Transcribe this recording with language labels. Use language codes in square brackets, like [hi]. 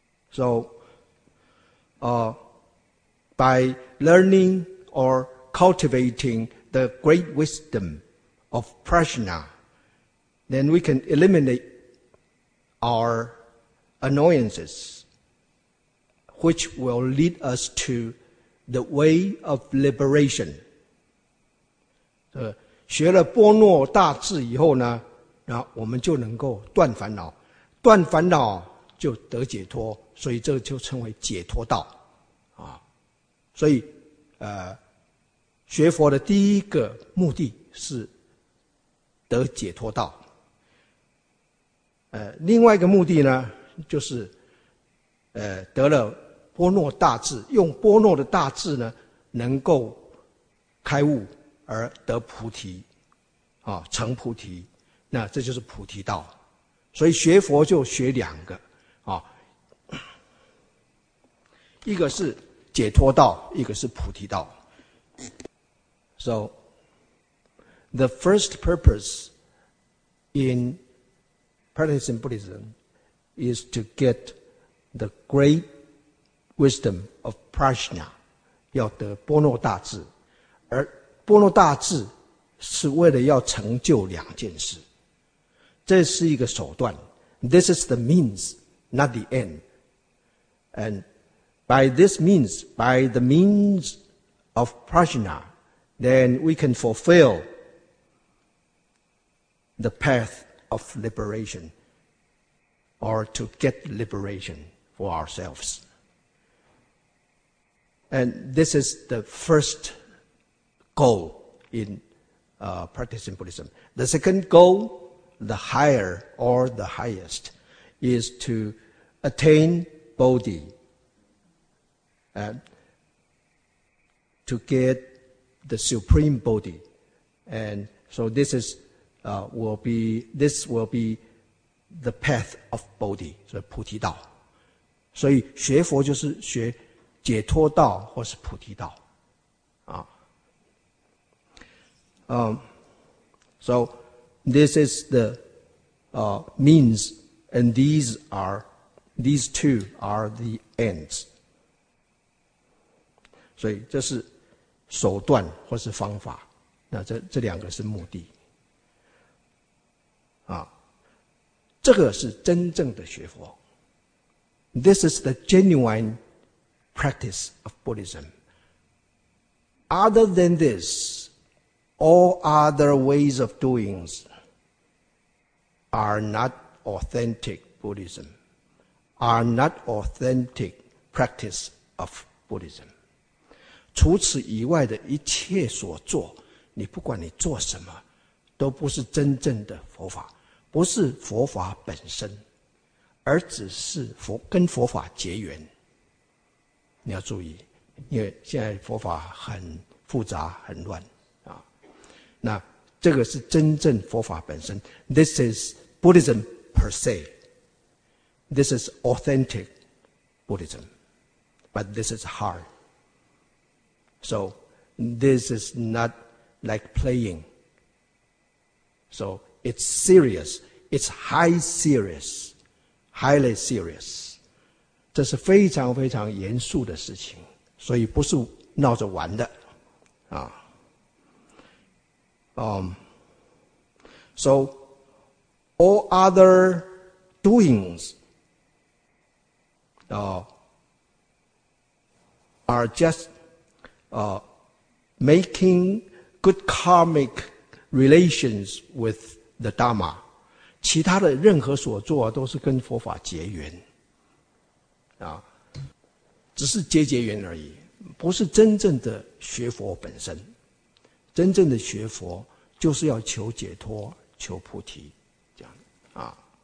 [en] So, by learning or cultivating the great wisdom of Prajna, then we can eliminate our annoyances, which will lead us to the way of liberation. [zh] 学了波诺大智以后呢，那我们就能够断烦恼，断烦恼就得解脱，所以这就称为解脱道。所以学佛的第一个目的是得解脱道。另外一个目的呢，就是得了波诺大智，用波诺的大智呢能够开悟而得菩提啊，成菩提，那这就是菩提道。所以学佛就学两个啊，一个是解脱道，一个是菩提道。 [en] So the first purpose in practicing Buddhism is to get the great wisdom of Prajna. [zh] 要得波若大智，而波若大智是为了要成就两件事，这是一个手段。 [en] This is the means, not the end. And by this means, by the means of prajna, then we can fulfill the path of liberation, or to get liberation for ourselves. And this is the first goal in practicing Buddhism. The second goal, the higher or the highest, is to attain Bodhi, and to get the supreme Bodhi. And so this is will be the path of Bodhi, [zh] 所以菩提道。所以学佛就是学解脱道或是菩提道。 [en] So this is the means, and these two are the ends. [zh] 所以这是手段或是方法，那这两个是目的。这个是真正的学佛。 [en] This is the genuine practice of Buddhism. Other than this, all other ways of doings are not authentic Buddhism, are not authentic practice of Buddhism. [zh] 除此以外的一切所做，你不管你做什么，都不是真正的佛法。不是佛法本身，而只是佛跟佛法结缘。你要注意，因为现在佛法很复杂很乱啊。那这个是真正佛法本身。 [en] This is Buddhism per se. This is authentic Buddhism, but this is hard. So this is not like playing. So it's serious. It's high serious, highly serious. [zh] 这是非常非常严肃的事情，所以不是闹着玩的啊。 [en] So all other doings are just making good karmic relations with the Dharma. [zh] 其他的任何所作都是跟佛法结缘啊，只是结结缘而已，不是真正的学佛本身。真正的学佛就是要求解脱，求菩提，这样啊。